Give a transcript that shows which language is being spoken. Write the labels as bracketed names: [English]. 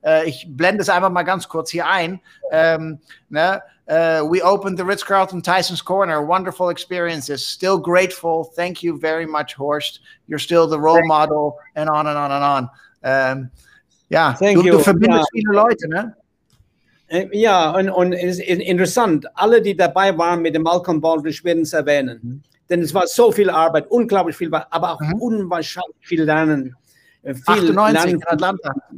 [German] Ich blende es einfach mal ganz kurz hier ein. [English] We opened the Ritz-Carlton Tyson's Corner. Wonderful experiences. Still grateful. Thank you very much, Horst. You're still the role model and on and on and on. [German] Du verbindest viele Leute, ne? Ja, und es ist interessant. Alle, die dabei waren mit dem Malcolm Baldrige, werden es erwähnen. Denn es war so viel Arbeit, unglaublich viel, aber auch unwahrscheinlich viel Lernen. Viel 98 Lernen. In Atlanta.